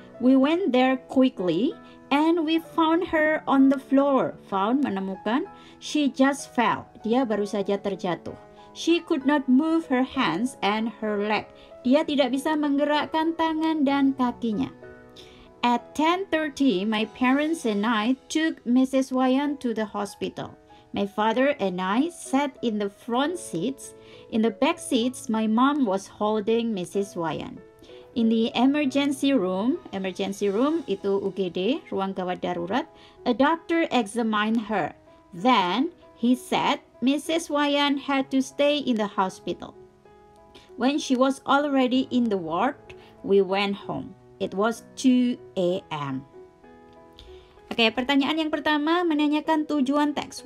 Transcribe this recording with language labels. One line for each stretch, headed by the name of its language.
English: We went there quickly and we found her on the floor. Found, menemukan. She just fell.
Indonesian: Dia baru saja terjatuh.
English: She could not move her hands and her leg.
Indonesian: Dia tidak bisa menggerakkan tangan dan kakinya.
English: At 10:30, my parents and I took Mrs. Wayan to the hospital. My father and I sat in the front seats. In the back seats, my mom was holding Mrs. Wayan. In the emergency room
Indonesian: itu UGD, ruang gawat darurat,
English: a doctor examined her. Then he said Mrs. Wayan had to stay in the hospital. When she was already in the ward, we went home. It was 2 a.m.
Indonesian: Oke, pertanyaan yang pertama menanyakan tujuan teks.